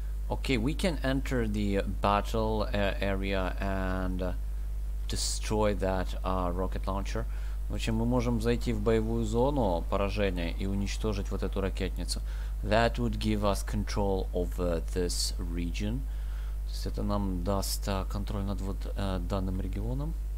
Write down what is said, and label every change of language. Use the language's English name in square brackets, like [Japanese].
[English] Okay, we can enter the battle area and destroy that rocket launcher. [Russian] В общем, мы можем зайти в боевую зону поражения и уничтожить вот эту ракетницу. [English] That would give us control over this region. [Russian] То есть это нам даст контроль над вот данным регионом.